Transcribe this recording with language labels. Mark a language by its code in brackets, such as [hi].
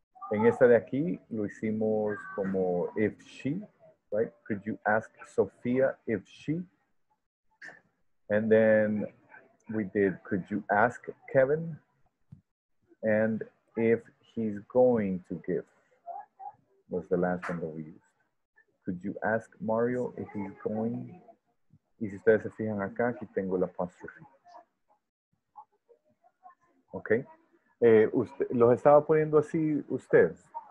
[es] En esta de aquí, lo hicimos como [en] if she. Right? Could you ask Sofía if she? And then we did, could you ask Kevin? And if he's going to give, was the last one that we used. Could you ask Mario if he's going? [es] Y si ustedes se fijan acá, aquí tengo la apostrofe. Okay. Usted, los estaba poniendo así ustedes.